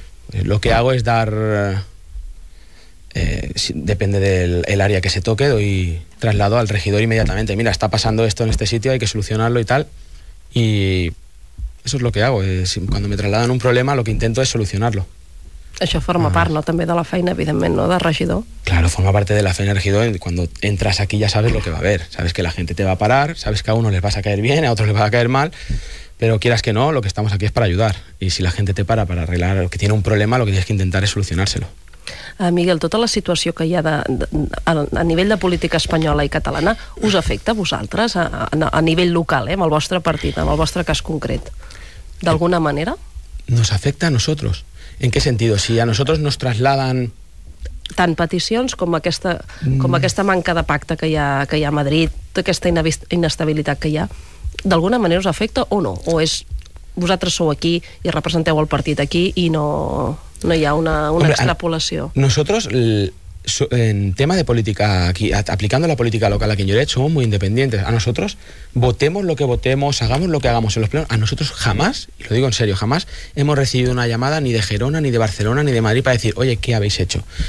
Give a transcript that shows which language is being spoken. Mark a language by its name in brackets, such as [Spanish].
[Spanish] Pues lo que hago es dar, depende del área que se toque, doy traslado al regidor inmediatamente, mira, está pasando esto en este sitio, hay que solucionarlo y tal, y eso es lo que hago, cuando me trasladan un problema lo que intento es solucionarlo. [Catalan] Això forma part, no, també de la feina, evidentment, no, de regidor. [Spanish] Claro, forma parte de la feina de regidor. Cuando entras aquí ya sabes lo que va a haber. Sabes que la gente te va a parar, sabes que a uno les vas a caer bien, a otro les va a caer mal, pero quieras que no, lo que estamos aquí es para ayudar. Y si la gente te para arreglar lo que tiene un problema, lo que tienes que intentar es solucionárselo. [Catalan] Miguel, tota la situació que hi ha a nivell de política espanyola i catalana, us afecta a vosaltres a nivell local, amb el vostre partit, amb el vostre cas concret, d'alguna manera? [Spanish] Nos afecta a nosotros. ¿En qué sentido? Si a nosotros nos trasladan... [Catalan] Tant peticions com aquesta manca de pacte que hi ha a Madrid, aquesta inestabilitat que hi ha, d'alguna manera us afecta o no? O és... Vosaltres sou aquí i representeu el partit aquí i no hi ha una extrapolació. [Spanish] Nosotros, en tema de política aquí, aplicando la política local aquí en Lloret, somos muy independientes. A nosotros, votemos lo que votemos, hagamos lo que hagamos en los plenos, a nosotros jamás, y lo digo en serio, jamás hemos recibido una llamada ni de Gerona, ni de Barcelona, ni de Madrid para decir, oye, ¿qué habéis hecho?